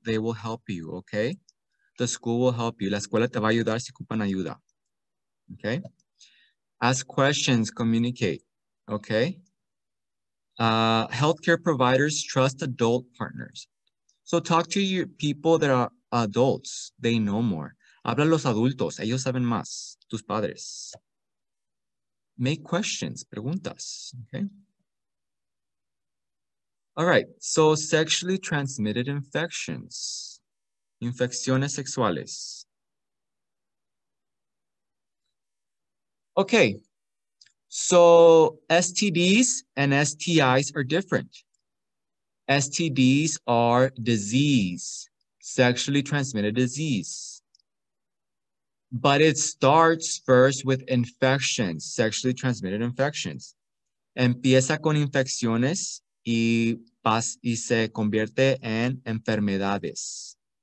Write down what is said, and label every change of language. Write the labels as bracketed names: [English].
[English] They will help you, okay? The school will help you. [Spanish] La escuela te va a ayudar si ocupan ayuda. [English] Okay? Ask questions, communicate, okay? Healthcare providers trust adult partners. So, talk to your people that are adults. They know more. [Spanish] Habla los adultos, ellos saben más, tus padres. [English] Make questions, [Spanish] preguntas, [English] okay? All right, so sexually transmitted infections, [Spanish] infecciones sexuales. [English] Okay, so STDs and STIs are different. STDs are disease, sexually transmitted disease. But it starts first with infections, sexually transmitted infections. [Spanish] Empieza con infecciones y se convierte en enfermedades.